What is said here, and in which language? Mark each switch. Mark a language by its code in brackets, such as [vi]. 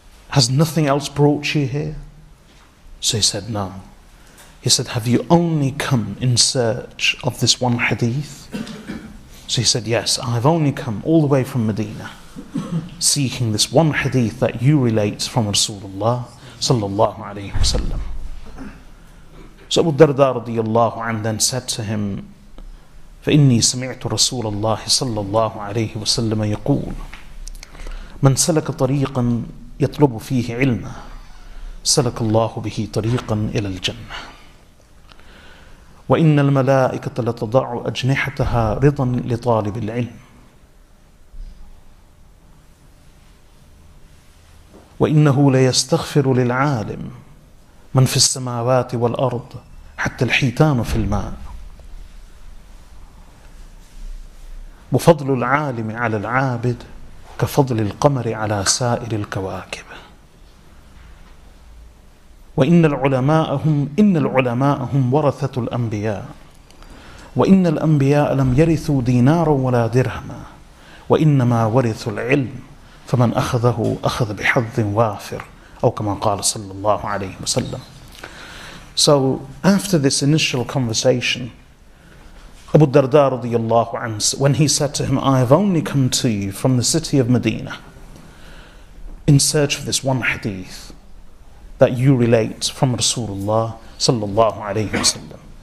[en] Has nothing else brought you here?" So he said, "No." He said, "Have you only come in search of this one hadith?" So he said, "Yes, I've only come all the way from Medina seeking this one hadith that you relate from Rasulullah sallallahu alayhi wa sallam." [ar] So Abu Darda radiyallahu an then said to him, "فَإِنِّي سَمِعْتُ رَسُولَ اللَّهِ صَلَّى اللَّهُ عَلَيْهِ وَسَلَّمَ يَقُولُ مَنْ سَلَكَ طَرِيقًا يَطْلُبُ فِيهِ عِلْمًا سَلَكَ اللَّهُ بِهِ طَرِيقًا إِلَى الْجَنَّةِ وَإِنَّ الْمَلَائِكَةَ لَتَضَعُ أَجْنِحَتَهَا رِضًا لِطَالِبِ الْعِلْمِ وَإِنَّهُ لَيَسْتَغْفِرُ لِلْعَالِمِ من في السماوات والأرض حتى الحيتان في الماء وفضل العالم على العابد كفضل القمر على سائر الكواكب وإن العلماء هم ورثة الأنبياء وإن الأنبياء لم يرثوا دينارا ولا درهما وإنما ورثوا العلم فمن أخذه أخذ بحظ وافر أو كما قال صلى الله عليه وسلم." [en] So after this initial conversation, Abu Darda radiallahu anhu, when he said to him, I have only come to you from the city of Medina in search of this one hadith that you relate from Rasulullah sallallahu alayhi wa sallam.